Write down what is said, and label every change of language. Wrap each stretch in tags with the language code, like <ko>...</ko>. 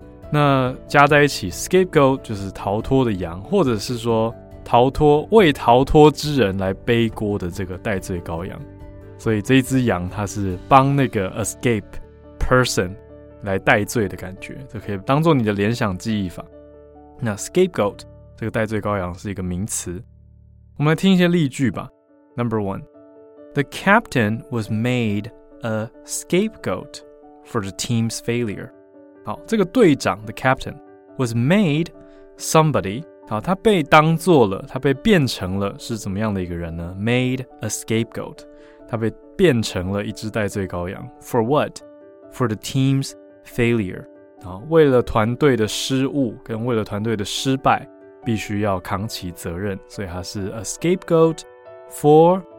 <zh>那加在一起 scapegoat 就是逃脱的羊，或者是说逃脱为逃脱之人来背锅的这个戴罪羔羊。所以这一只羊它是帮那个</zh> <en>escape person</en> <zh>来戴罪的感觉，这可以当做你的联想记忆法。那 scapegoat 这个戴罪羔羊是一个名词。我们来听一些例句吧。</zh> <en>Number one。 The captain was made a scapegoat for the team's failure.</en> <zh>好，这个队长</zh> <en>the captain was made somebody.</en> <zh>好，他被当做了，他被变成了是怎么样的一个人呢？</zh> <en>Made a scapegoat.</en> <zh>他被变成了一只戴罪羔羊。</zh> <en>For what? For the team's failure.</en> <zh>好，为了团队的失误跟为了团队的失败，必须要扛起责任，所以他是</zh> <en>a scapegoat for.</en>